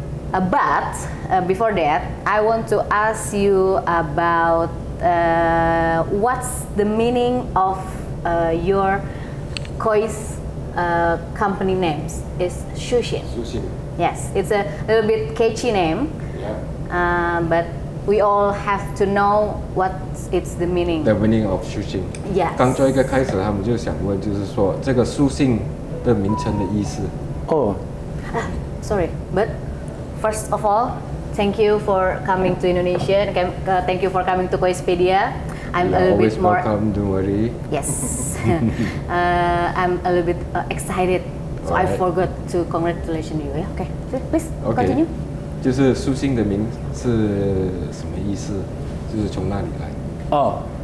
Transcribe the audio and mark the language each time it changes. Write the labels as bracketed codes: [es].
[en] But before that, I want to ask you about what's the meaning of your Koi's company names. It's Shushin. Shushin. Yes, it's a little bit catchy name. Yeah. But we all have to know what it's the meaning. The meaning of Shushin. Yes. [zh] 刚做一个开始，他们就想问，就是说这个书信 的名称的意思. [en] Oh, sorry, but first of all, thank you for coming to Indonesia. Thank you for coming to Koispedia. I'm yeah, a little bit more. Always welcome. Don't worry. Yes, I'm a little bit excited, so right. I forgot to congratulate you. Okay, please continue. [zh] 就是书信的名是什么意思？就是从哪里来？哦，